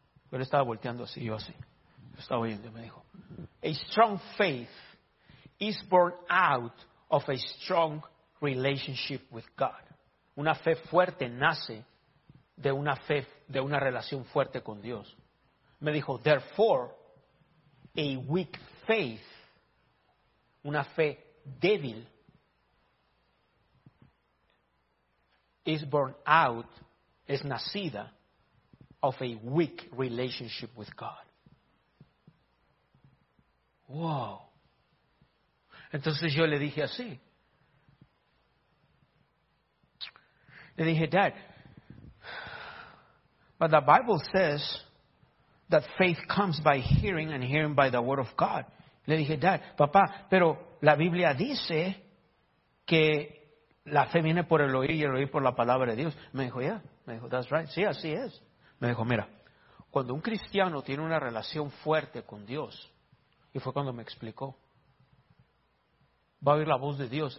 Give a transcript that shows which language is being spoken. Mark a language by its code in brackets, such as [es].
[es] Yo le estaba volteando así, yo así. Yo estaba oyendo, me dijo, [en] a strong faith is born out of a strong relationship with God. [es] Una fe fuerte nace de una fe, de una relación fuerte con Dios. Me dijo, [en] therefore, a weak faith, [es] una fe débil, [en] is born out, [es] es nacida [en] of a weak relationship with God. [es] Wow. Entonces yo le dije así. Le dije, [en] Dad, but the Bible says that faith comes by hearing and hearing by the word of God. [es] Le dije, Dad, papá, pero la Biblia dice que la fe viene por el oír y el oír por la palabra de Dios. [en] Me dijo, yeah. [es] Me dijo, [en] that's right. [es] Sí, así es. Me dijo, mira, cuando un cristiano tiene una relación fuerte con Dios, y fue cuando me explicó, va a oír la voz de Dios.